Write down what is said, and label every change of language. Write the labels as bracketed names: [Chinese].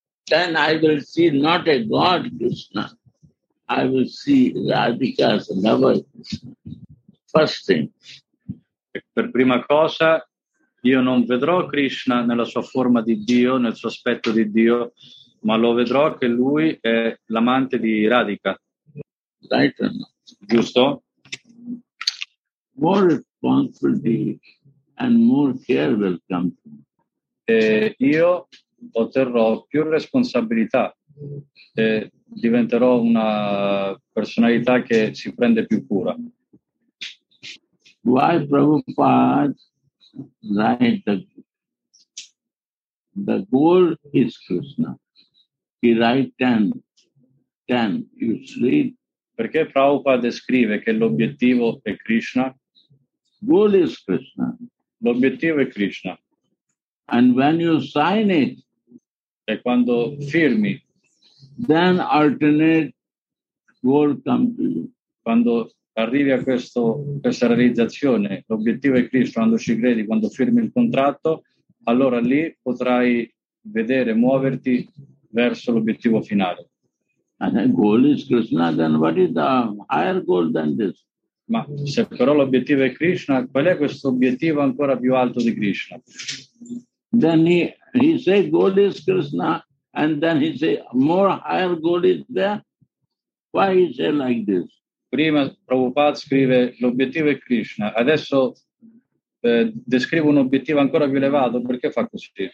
[English] Then I will see not a god Krishna. I will see Radhika's lover. First thing. [Italian] Per prima cosa, io non vedrò Krishna nella sua forma di Dio, nel suo aspetto di Dio, ma lo vedrò che lui è l'amante di Radhika. [English] Right. [Italian] Giusto? [English] More responsibility and more care will come to me. [Italian] E io otterrò più responsabilità. E diventerò una personalità che si prende più cura. [English] Why Prabhupada write the goal is Krishna. He write 10, you see. [Italian] Perché Prabhupada descrive che l'obiettivo è Krishna? [English] Goal is Krishna. [Italian] L'obiettivo è Krishna. [English] And when you sign it, [Italian] e quando firmi, [English] then alternate goal come to you. [Italian] Quando arrivi a questa realizzazione, l'obiettivo è Cristo, quando ci credi, quando firmi il contratto, allora lì potrai vedere, muoverti verso l'obiettivo finale. [English] And the goal is Krishna, then what is the higher goal than this? [Italian] Ma se però l'obiettivo è Krishna, qual è questo obiettivo ancora più alto di Krishna? [English] Then he said goal is Krishna. And then he say, more higher goal is there? Why he say like this? [Italian] Prima Prabhupada scrive, l'obiettivo è Krishna. Adesso descrive un obiettivo ancora più elevato. Perché fa così?